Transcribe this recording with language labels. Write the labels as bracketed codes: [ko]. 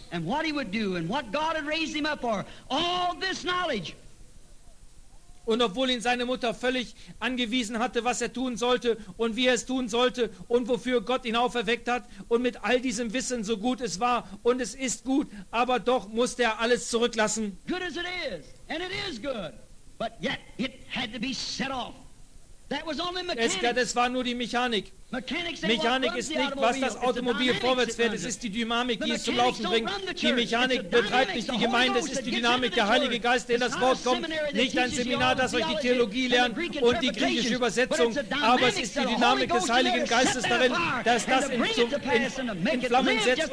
[en] and what he would do and what God had raised him up for, all this knowledge. [de] Und obwohl ihn seine Mutter völlig angewiesen hatte, was er tun sollte und wie er es tun sollte und wofür Gott ihn auferweckt hat, und mit all diesem Wissen, so gut es war und es ist gut, aber doch musste er alles zurücklassen. [en] Good as it is, and it is good, but yet it had to be set off. That was only mechanics. [de] Das war nur die Mechanik. Mechanik ist nicht, was das Automobil vorwärts fährt. Es ist die Dynamik, die es zum Laufen bringt. Die Mechanik betreibt nicht die Gemeinde. Es ist die Dynamik, der Heilige Geist, der in das Wort kommt. Nicht ein Seminar, das euch die Theologie lernt und die griechische Übersetzung. Aber es ist die Dynamik des Heiligen Geistes darin, dass das in Flammen setzt.